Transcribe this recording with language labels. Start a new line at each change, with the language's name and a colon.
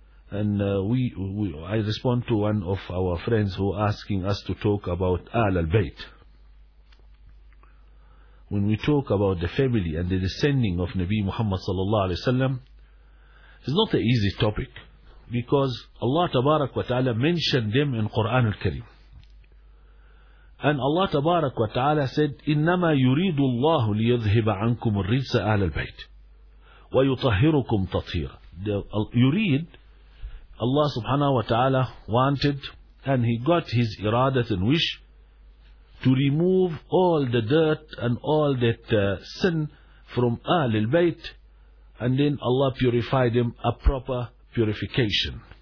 English: And I respond to one of our friends who asking us to talk about Ahl al-Bayt. When we talk about the family and the descending of Nabi Muhammad sallallahu alayhi wa sallam, it's not an easy topic, because Allah Tabarak wa Ta'ala mentioned them in Quran al-Karim.
Arabic: And Allah Tabarak wa Ta'ala said, إِنَّمَا يُرِيدُ اللَّهُ لِيَذْهِبَ عَنْكُمُ الرِّجْسَ أَهْلَ الْبَيْتِ وَيُطَهِّرُكُمْ تَطْهِيرًا.
English: يُرِيد, Allah Subhanahu wa Ta'ala wanted, and He got His iradat and wish to remove all the dirt and all that sin from أهل البيت, and then Allah purified them a proper purification.